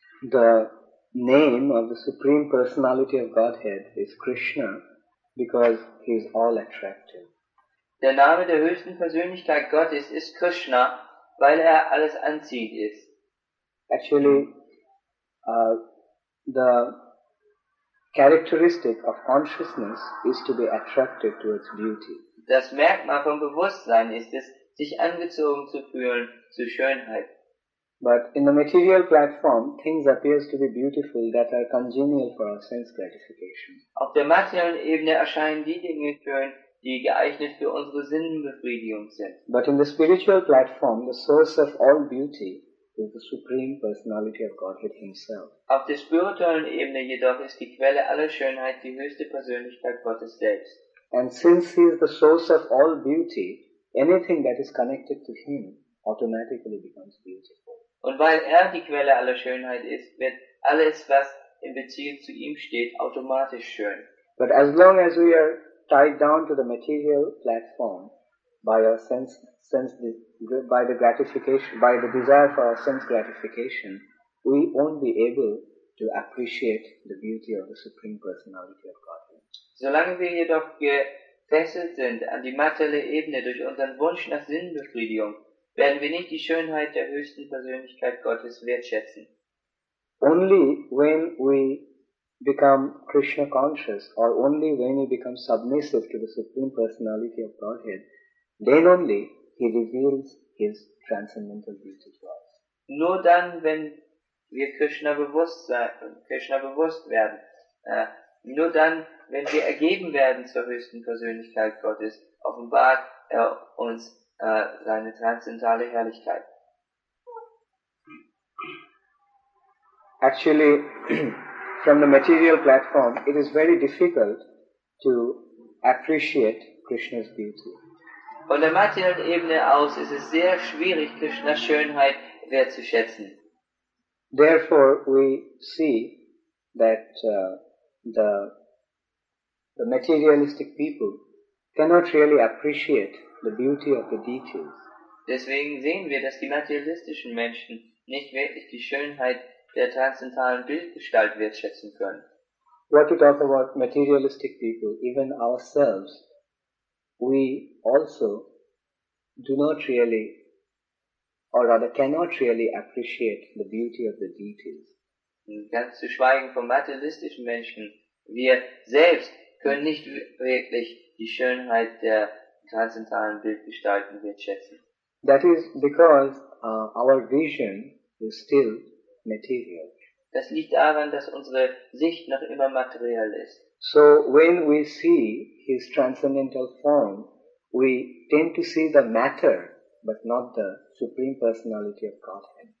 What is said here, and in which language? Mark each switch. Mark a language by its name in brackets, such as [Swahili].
[English] The name of the Supreme Personality of Godhead is Krishna, because he is all attractive. [German] Der Name der höchsten Persönlichkeit Gottes ist Krishna, weil er alles anzieht ist. [English] Actually, the characteristic of consciousness is to be attracted towards beauty. [German] Das Merkmal vom Bewusstsein ist es, sich angezogen zu fühlen zu Schönheit. [English] But in the material platform, things appears to be beautiful that are congenial for our sense gratification. [German] Auf der materiellen Ebene erscheinen die Dinge schön, die geeignet für unsere Sinnenbefriedigung sind. [English] But in the spiritual platform, the source of all beauty is the Supreme Personality of Godhead Himself. [German] Auf der spirituellen Ebene jedoch ist die Quelle aller Schönheit die höchste Persönlichkeit Gottes selbst. [English] And since He is the source of all beauty, anything that is connected to Him automatically becomes beautiful. [German] Und weil er die Quelle aller Schönheit ist, wird alles, was in Beziehung zu ihm steht, automatisch schön. [English] But as long as we are tied down to the material platform by our desire for our sense gratification, we won't be able to appreciate the beauty of the Supreme Personality of Godhead. [German] Solange wir jedoch gefesselt sind an die materielle Ebene durch unseren Wunsch nach Sinnbefriedigung, werden wir nicht die Schönheit der höchsten Persönlichkeit Gottes wertschätzen. [English] Only when we become Krishna conscious, or only when we become submissive to the Supreme Personality of Godhead, then only He reveals His transcendental beauty to us. [German] Nur dann, wenn wir Krishna bewusst sein, Krishna bewusst werden, nur dann, wenn wir ergeben werden zur höchsten Persönlichkeit Gottes, offenbart er uns seine transzendentale Herrlichkeit. [English] Actually, from the material platform, it is very difficult to appreciate Krishna's beauty. [German] Von der materiellen Ebene aus ist es sehr schwierig, Krishnas Schönheit wertzuschätzen. [English] Therefore, we see that the materialistic people cannot really appreciate the beauty of the details. [German] Deswegen sehen wir, dass die materialistischen Menschen nicht wirklich die Schönheit der transzendentalen Bildgestalt wertschätzen können. [English] What to talk about materialistic people, even ourselves, we also do not really, or rather cannot really appreciate the beauty of the details. [German] Ganz zu schweigen von materialistischen Menschen, wir selbst können nicht wirklich die Schönheit der transzendentalen Bildgestalten wertschätzen. [English] That is because our vision is still material. [German] Das liegt daran, dass unsere Sicht noch immer materiell ist. [English] So when we see His transcendental form, we tend to see the matter, but not the Supreme Personality of Godhead.